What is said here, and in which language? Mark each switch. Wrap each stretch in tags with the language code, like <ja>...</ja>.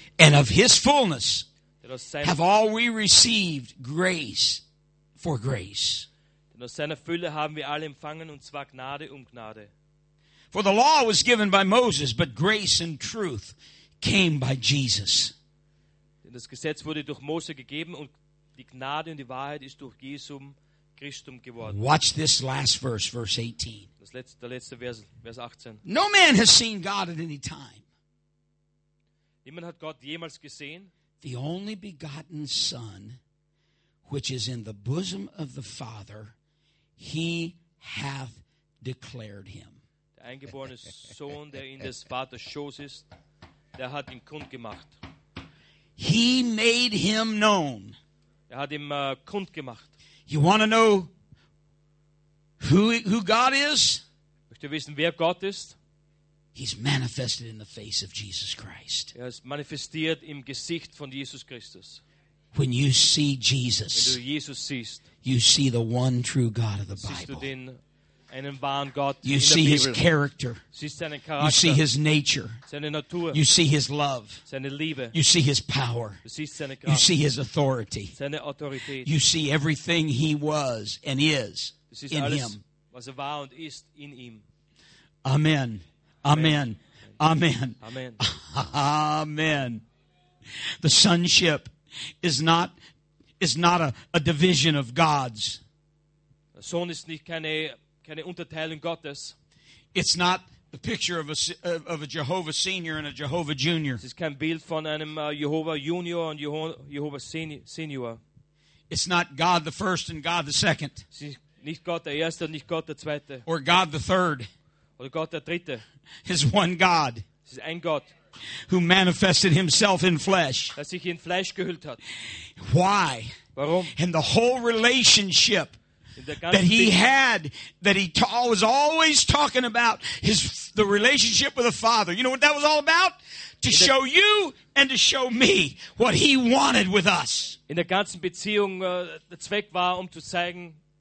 <en>And of his fullness have all we received grace for grace.</en> <de>Denn aus seiner Fülle haben wir alle empfangen, und zwar Gnade um Gnade.</de> <en>For the law was given by Moses, but grace and truth came by Jesus.</en> <de>Denn das Gesetz wurde durch Mose gegeben, und die Gnade und die Wahrheit ist durch Jesus Christum geworden.</de> <en>Watch this last verse, verse 18.</en> <de>Das letzte, der letzte Vers, Vers 18.</de> <en>No man has seen God at any time.</en> <de>Niemand hat Gott jemals gesehen.</de> <en>The only begotten Son, which is in the bosom of the Father, he hath declared him.</en> <de>Der eingeborene Sohn, der in des Vaters Schoß ist, der hat ihn kundgemacht.</de> <en>He made him known.</en> <de>Er hat ihm kundgemacht.</de> <en>You want to know who God is?</en> <de>Möchtest du wissen, wer Gott ist?</de> <en>He's manifested in the face of Jesus Christ.</en> <de>Er ist manifestiert im Gesicht von Jesus Christus.</de> <en>When you see Jesus,</en> <de>wenn du Jesus siehst,</de> <en>you see the one true God of the</en> <de>siehst</de> <en>Bible.</en> <de>Du den einen wahren Gott</de> <en>you</en> <de>in</de> <en>see</en> <de>der Bibel.</de> <en>His character.</en> <de>Siehst seinen Charakter.</de> <en>You see His nature.</en> <de>Seine Natur.</de> <en>You see His love.</en> <de>Seine Liebe.</de> <en>You see His power.</en> <de>Du siehst seine Kraft.</de> <en>You see His authority.</en> <de>Seine Autorität.</de> <en>You see everything He was and is in Him.</en> <de>Was er war und ist in ihm.</de> <en>Amen. Amen. Amen. Amen. Amen. The sonship is not a division of God's.</en> <de>Der Sohn ist nicht keine Unterteilung Gottes.</de> <en>It's not the picture of a Jehovah Senior and a Jehovah Junior.</en> <de>Es ist kein Bild von einem Jehovah Junior und Jehovah Senior.</de> <en>It's not God the first and God the second.</en> <de>Es ist nicht Gott der Erste und nicht Gott der Zweite.</de> <en>Or God the third.</en> <de>Oder Gott der Dritte.</de> <en>Is one God.</en> <de>Es ist ein Gott.</de> <en>Who manifested himself in flesh.</en> <de>Dass sich in Fleisch gehüllt hat.</de> <en>Why?</en> <de>Warum?</de> <en>And the whole relationship that he had, that he was always talking about, the relationship with the Father. You know what that was all about? To show you and to show me what he wanted with us.</en> <de>In der ganzen Beziehung, der Zweck war, um zu zeigen,</de>